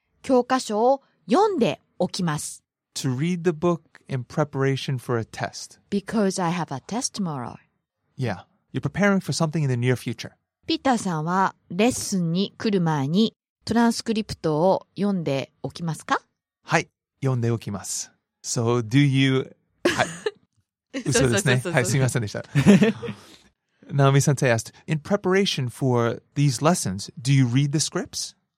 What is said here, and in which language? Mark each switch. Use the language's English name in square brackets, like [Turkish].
[Japanese] 教科書を読んでおきます。 [English] To read the book in preparation for a test. Because I have a test tomorrow. Yeah, you're preparing for something in the near future. [Japanese] ピーターさんはレッスンに来る前にトランスクリプトを読んでおきますか? はい、読んでおきます。 [English] So, do you... [Japanese] はい、嘘ですね。はい、すみませんでした。 [English] Naomi-sensei asked, in preparation for these lessons, do you read the scripts?